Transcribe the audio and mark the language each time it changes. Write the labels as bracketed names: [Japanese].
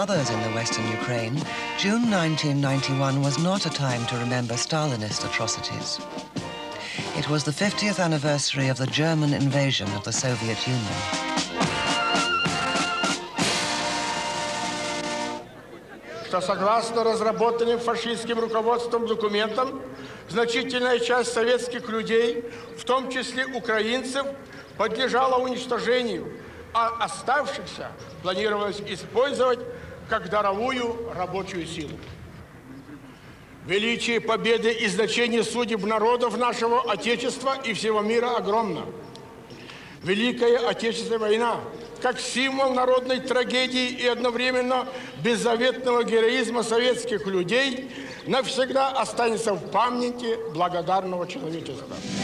[English] In the western Ukraine, June 1991 was not a time to remember Stalinist atrocities. It was the 50th anniversary of the German invasion of the Soviet Union. [Ukrainian] Що согласно розробленим фашистським руководством документам, значительна частина совєтських людей, в тому числі українців, підлежала уничтоженню, а оставшихся планувалось використати [Russian] как даровую рабочую силу. Величие победы и значение судеб народов нашего Отечества и всего мира огромно. Великая Отечественная война, как символ народной трагедии и одновременно беззаветного героизма советских людей, навсегда останется в памяти благодарного человечества.